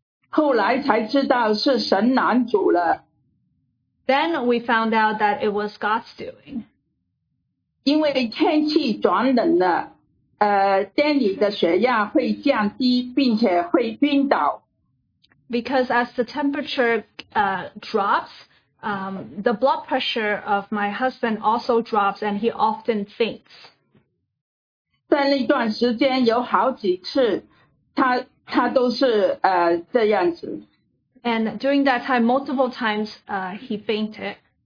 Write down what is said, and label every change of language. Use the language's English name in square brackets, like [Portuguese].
[Chinese] 后来才知道是神拦阻了。 [English] Then we found out that it was God's doing. [Chinese] 因为天气转冷了Danny 的血压会降低并且会晕倒。 [English] Because as the temperature drops, the blood pressure of my husband also drops and he often faints. [Chinese] 在那段时间有好几次他都是这样子。 [English] And during that time, multiple times, he fainted.